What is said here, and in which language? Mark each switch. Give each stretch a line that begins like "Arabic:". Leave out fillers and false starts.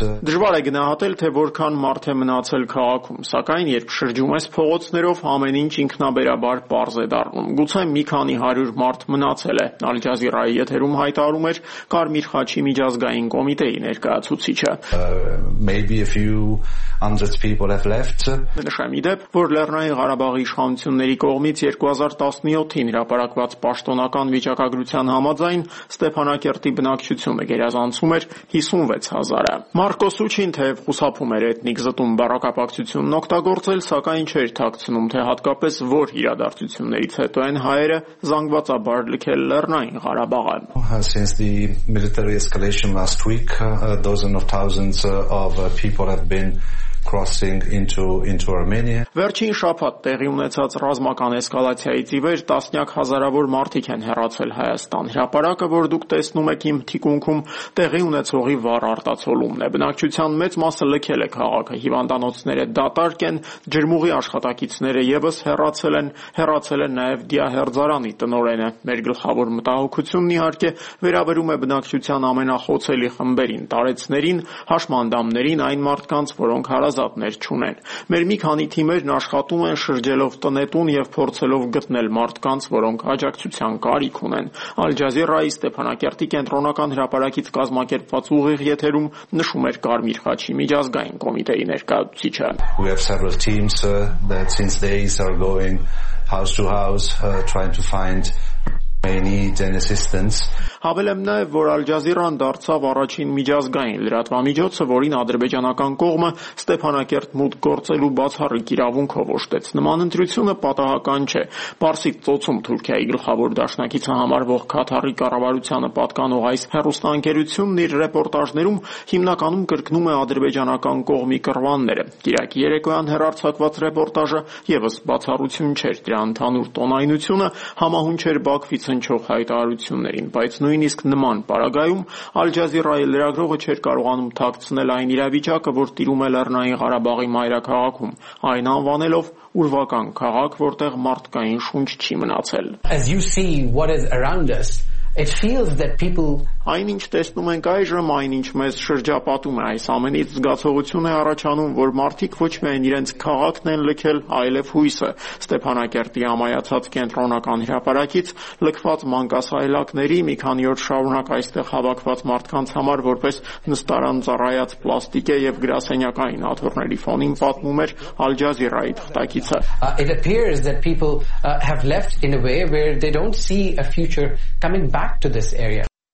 Armenian: Դժվար է գնահատել, թե որքան մարդ է մնացել քաղաքում, սակայն երբ շրջում ես փողոցներով, ամեն ինչ ինքնաբերաբար պարզ է դառնում։ Գուցե մի քանի 100 մարդ մնացել է, Ալ Ջազիրայի եթերում հայտարարում էր Կարմիր խաչի միջազգային կոմիտեի ներկայացուցիչը։
English: maybe a few hundreds of people have left.
Armenian: Նշեմ, որ Լեռնային Ղարաբաղի իշխանությունների կողմից 2017-ին հրապարակված պաշտոնական վիճակագրության համաձայն Ստեփանակերտի բնակչությունը գերազանցում էր 56,000-ը։ Մարկո Սուչին թեև խուսափում էր էթնիկ զտում բարոկապակցությունն օգտագործել, սակայն չէր թաքցնում, թե հատկապես որ իրադարձություններից հետո են հայերը զանգվածաբար լքել Լեռնային Ղարաբաղը։
English: Since the military escalation last week, dozens of thousands of people have been crossing into Armenia.
Armenian: Վերջին շաբաթ տեղի ունեցած ռազմական էսկալացիայից ի վեր տասնյակ հազարավոր մարդիկ են հեռացել Հայաստան։ Հրապարակը, որ դուք տեսնում եք իմ թիկունքում, տեղի ունեցողի վառ արտացոլումն է։ Բնակչության մեծ մասը լքել է քաղաքը, հիվանդանոցները դատարկ են, ջրմուղի աշխատակիցները եւս հեռացել են, հեռացել է նաեւ դիահերձարանի տնօրենը։ Մեր գլխավոր մտահոգությունն իհարկե վերաբերում է բնակչության ամենախոցելի խմբերին, տարեցներին, հաշմանդամներին, այն մարդկանց, որոնք հարազատներ չունեն։ Մեր մի քանի թիմերն աշխատում են շրջելով տնետուն և փորձելով գտնել մարդկանց, որոնք աջակցության կարիք ունեն։ Ալ-Ջազիրայի Ստեփանակերտի կենտրոնական հրապարակից կազմակերպված ուղիղ եթերում նշում էր Կարմիր Խաչի միջազգային կոմիտեի ներկայացուցիչը։
English: We have several teams that since days are going house to house trying to find they need an assistance.
Armenian: Հավելեմ նաև, որ Ալ-Ջազիրան դարձավ առաջին միջազգային լրատվամիջոցը, որին ադրբեջանական կողմը Ստեփանակերտ մուտք գործելու բացառիկ իրավունքով օժտեց։ Նման ընտրությունը պատահական չէ։ Պարսիկ ծոցում Թուրքիայի գլխավոր դաշնակիցը համարվող Քաթարի կառավարությանը պատկանող այս հեռուստաընկերությունն իր ռեպորտաժներում հիմնականում կրկնում է ադրբեջանական կողմի կռվանները։ Կիրակի երեկոյան հեռարձակված ռեպորտաժը ևս բացառություն չէր, դրա ընդհանուր տոնայնությունը համահունչ էր Բաքվի ցնչող հայտարարություններին, բայց նույնիսկ նման պարագայում Ալ-Ջազիրայի լրագրողը չէր կարողանում թաքցնել այն իրավիճակը, որ տիրում է Լեռնային Ղարաբաղի մայրաքաղաքում, այն անվանելով ուրվական քաղաք, որտեղ մարդկային շունչ չի մնացել։
English: As you see what is around us, it feels that people
Armenian: Այն ինչ տեսնում ենք այժմ, այն ինչ մեզ շրջապատում է, այս ամենից զգացողություն է առաջանում, որ մարդիկ ոչ միայն իրենց քաղաքն են լքել, այլև հույսը։ Ստեփանակերտի ամայացած կենտրոնական հրապարակից լքված մանկասայլակների մի քանի օր շարունակ այստեղ հավաքված մարդկանց համար որպես նստարան ծառայած պլաստիկե եւ գրասենյակային աթոռների ֆոնին պատմում էր Ալ-Ջազիրայի թղթակիցը։
English: It appears that people have left in a way where they don't see a future coming back to this area.